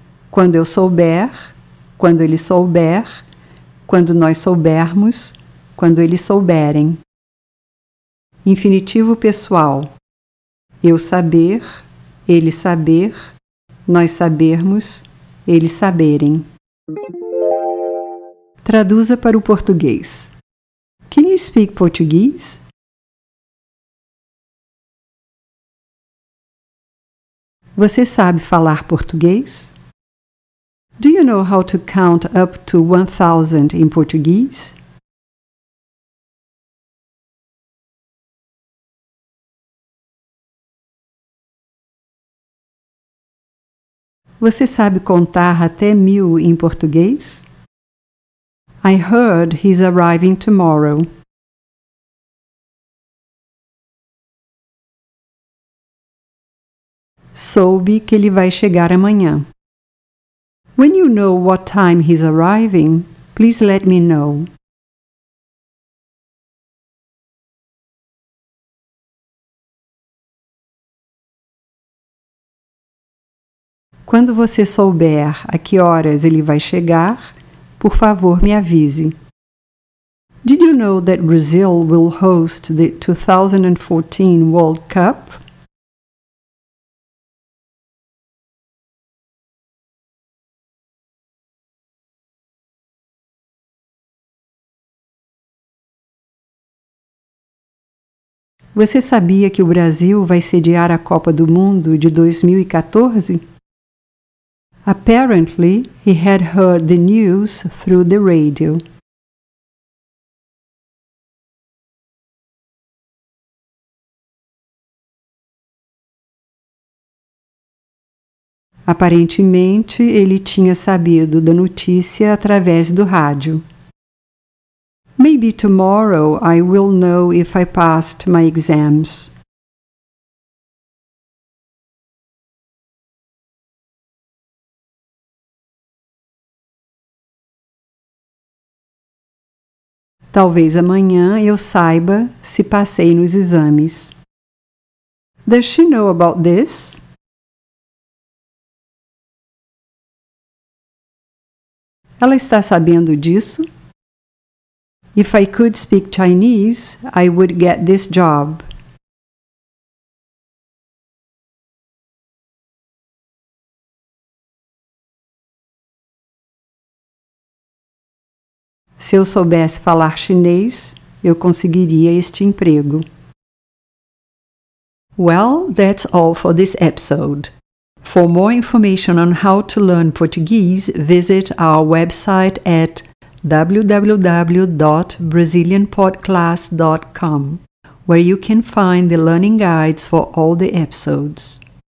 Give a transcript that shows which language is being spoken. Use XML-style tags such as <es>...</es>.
<pt>Quando eu souber, quando ele souber, quando nós soubermos, quando eles souberem. Infinitivo pessoal. Eu saber, ele saber, nós sabermos, eles saberem. Traduza para o português.</pt> <en>Can you speak Portuguese?</en> <pt>Você sabe falar português?</pt> <en>Do you know how to count up to 1,000 in Portuguese?</en> <pt>Você sabe contar até 1,000 em português?</pt> <en>I heard he's arriving tomorrow.</en> <pt>Soube que ele vai chegar amanhã.</pt> <en>When you know what time he's arriving, please let me know.</en> <pt>Quando você souber a que horas ele vai chegar, por favor, me avise.</pt> <en>Did you know that Brazil will host the 2014 World Cup?</en> <pt>Você sabia que o Brasil vai sediar a Copa do Mundo de 2014?</pt> <en>Apparently, he had heard the news through the radio.</en> <pt>Aparentemente, ele tinha sabido da notícia através do rádio.</pt> <en>Maybe tomorrow I will know if I passed my exams.</en> <pt>Talvez amanhã eu saiba se passei nos exames.</pt> <en>Does she know about this?</en> <pt>Ela está sabendo disso?</pt> <en>If I could speak Chinese, I would get this job.</en> <pt>Se eu soubesse falar chinês, eu conseguiria este emprego.</pt> <en>Well, that's all for this episode. For more information on how to learn Portuguese, visit our website at www.brazilianpodclass.com, where you can find the learning guides for all the episodes.</en>